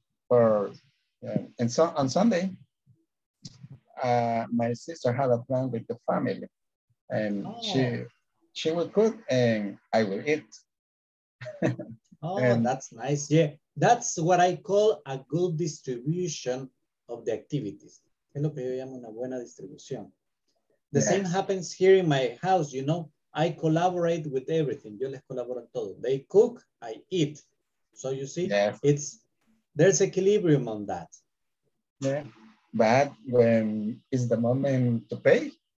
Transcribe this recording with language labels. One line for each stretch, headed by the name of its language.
English: On Sunday, my sister had a plan with the family. and she will cook and I will eat. That's nice. Yeah, that's what I call a good distribution of the activities.
Spanish: Es lo que yo llamo una buena distribución.
English: The same happens here in my house, you know. I collaborate with everything.
Spanish: Yo les colaboro en todo.
English: They cook, I eat. So you see, there's equilibrium on that. Yeah, but when is the moment to pay?